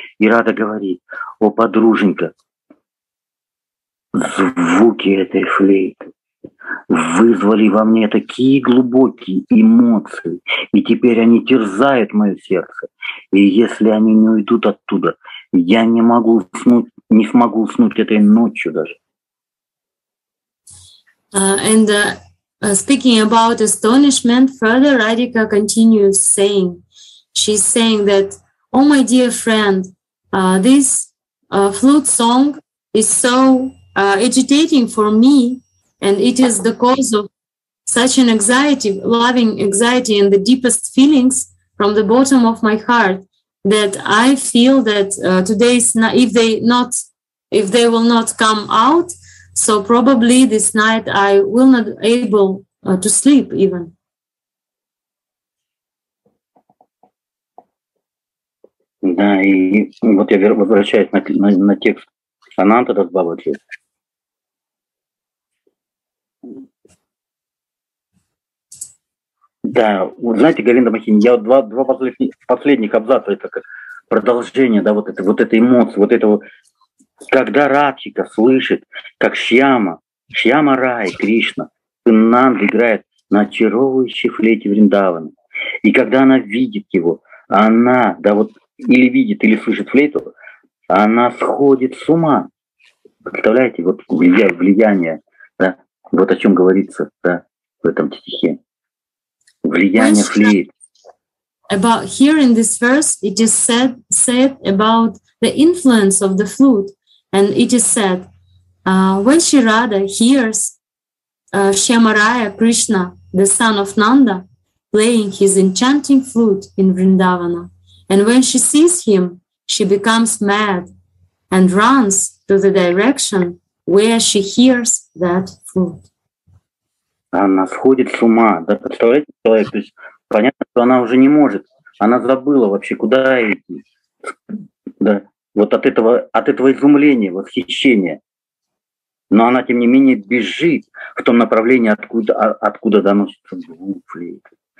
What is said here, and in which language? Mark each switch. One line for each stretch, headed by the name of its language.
Russian: И Рада говорит: о, подруженька, звуки этой флейты вызвали во мне такие глубокие эмоции, и теперь они терзают мое сердце. И если они не уйдут оттуда, я не могу уснуть, не смогу уснуть этой ночью даже.
English: Speaking about astonishment, further Radhika continues saying, she's saying that, oh my dear friend, this flute song is so agitating for me, and it is the cause of such an anxiety, loving anxiety and the deepest feelings from the bottom of my heart, that I feel that if they will not come out, so probably this night I will not able to sleep even.
Russian: Да, и вот я возвращаюсь на текст Ананта Дас Бхагаватхи. Да, вот знаете, Говинда Махини, я вот два последних абзаца, это как продолжение, да, вот этой эмоции, вот этого. Когда Радхика слышит, как Шьяма Рай, Кришна, сын Нанды играет на очаровывающей флейте Вриндавана, и когда она видит его, она, да вот, или видит, или слышит флейту, она сходит с ума. Представляете, вот влияние, да, вот о чем говорится, да, в этом стихе. Влияние флейты.
English: About here in this verse, it is said about the influence of the flute. And it is said, when Shri Radha hears Shyamaraya Krishna, the son of Nanda, playing his enchanting flute in Vrindavana, and when she sees him, she becomes mad and runs to the direction where she hears that flute.
Russian: Она сходит с ума, да, представляете, человек, то есть понятно, что она уже не может, она забыла вообще, куда идти, да. Вот от этого изумления, восхищения. Но она, тем не менее, бежит в том направлении, откуда доносится звук флейты.